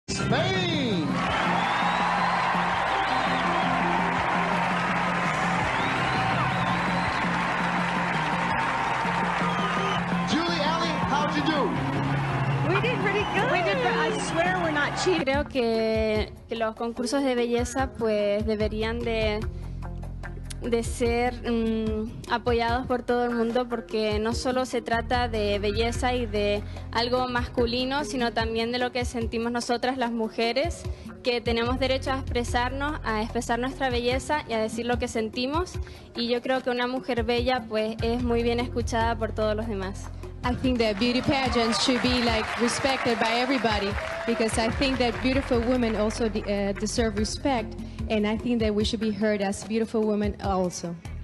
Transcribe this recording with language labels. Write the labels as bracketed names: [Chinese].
[English] Spain! Julie, Allie, how'd you do? We did pretty good. We did, but I swear we're not cheating. [Spanish] Creo que los concursos de belleza, pues, deberían de ser apoyados por todo el mundo porque no solo se trata de belleza y de algo masculino, sino también de lo que sentimos nosotras las mujeres, que tenemos derecho a expresarnos, a expresar nuestra belleza y a decir lo que sentimos. Y yo creo que una mujer bella pues es muy bien escuchada por todos los demás. [English] I think that beauty pageants should be like respected by everybody because I think that beautiful women also deserve respect. And I think that we should be heard as beautiful women also.